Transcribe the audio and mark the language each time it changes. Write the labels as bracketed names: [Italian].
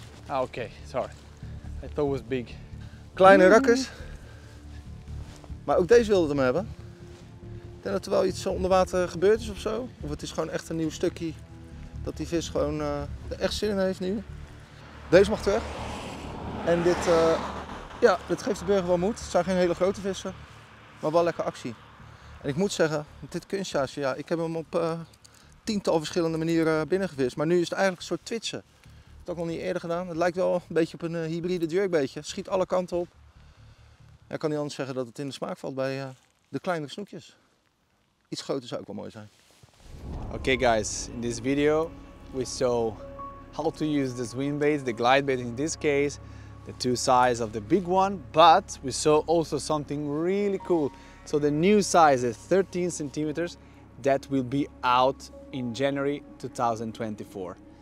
[English] Okay, sorry. I thought it was big. [Dutch] Kleine rakkers. Maar ook deze wilde hem hebben. Ik denk dat er wel iets onder water gebeurd is of zo. Of het is gewoon echt een nieuw stukje. Dat die vis gewoon er echt zin in heeft nu. Deze mag terug. En dit, ja, dit geeft de burger wel moed. Het zijn geen hele grote vissen. Maar wel lekker actie. En ik moet zeggen, dit kunstjaarsje, ja, ik heb hem op tiental verschillende manieren binnengevist. Maar nu is het eigenlijk een soort twitchen. Dat heb ik nog niet eerder gedaan. Het lijkt wel een beetje op een hybride jerkbaitje. Het schiet alle kanten op. Ja, ik kan niet anders zeggen dat het in de smaak valt bij de kleinere snoekjes. Iets groter zou ook wel mooi zijn. [English] Okay guys, in this video we saw how to use the swimbait, the glidebait in this case, the two sizes of the big one, but we saw also something really cool. So the new size is 13 centimeters that will be out in January 2024.